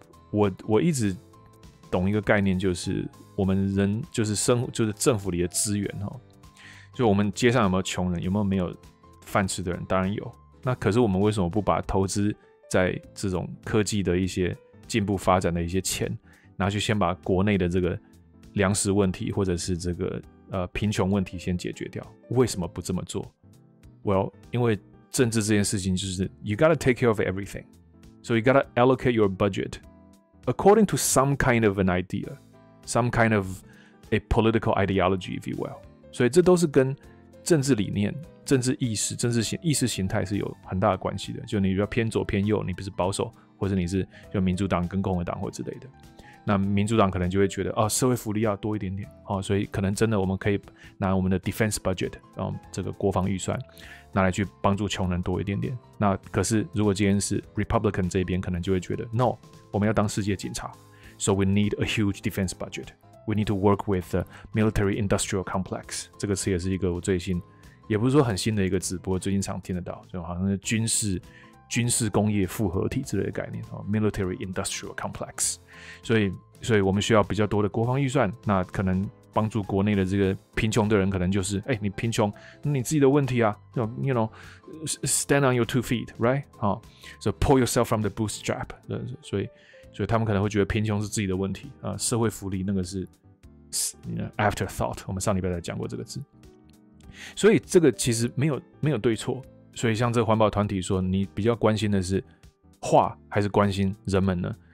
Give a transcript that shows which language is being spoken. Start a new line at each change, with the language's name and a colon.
Chinese: 我一直懂一个概念，就是我们人就是生就是政府里的资源哈，就我们街上有没有穷人，有没有没有饭吃的人，当然有。那可是我们为什么不把投资在这种科技的一些进步发展的一些钱，拿去先把国内的这个粮食问题或者是这个贫穷问题先解决掉？为什么不这么做
English: ？Well，
Chinese: 因为政治这件事情就是
English: you gotta take care of everything， so you gotta allocate your budget。 According to some kind of an idea, some kind of a political ideology, if you will.
Chinese: 所以这都是跟政治理念、政治意识、政治意识形态是有很大的关系的。就你比较偏左偏右，你不是保守，或者你是就民主党跟共和党或之类的。那民主党可能就会觉得哦，社会福利要多一点点哦，所以可能真的我们可以拿我们的 defense budget， 然后这个国防预算拿来去帮助穷人多一点点。那可是如果今天是 Republican 这边，可能就会觉得 no。我们要当世界警察
English: ，so we need a huge defense budget. We need to work with the military industrial complex.
Chinese: 这个词也是一个我最新，也不是说很新的一个词，不过最近常听得到，就好像是军事工业复合体之类的概念 ，military industrial complex. 所以我们需要比较多的国防预算，那可能帮助国内的这个贫穷的人，可能就是哎，你贫穷，你自己的问题啊 ，
English: you know。 Stand on your two feet, right?、Oh, so pull yourself from the bootstrap.
Chinese: 所以他们可能会觉得贫穷是自己的问题、社会福利那个是
English: you know, afterthought.
Chinese: 我们上礼拜才讲过这个字。所以这个其实没有对错。所以像这个环保团体说，你比较关心的是画还是关心人们呢？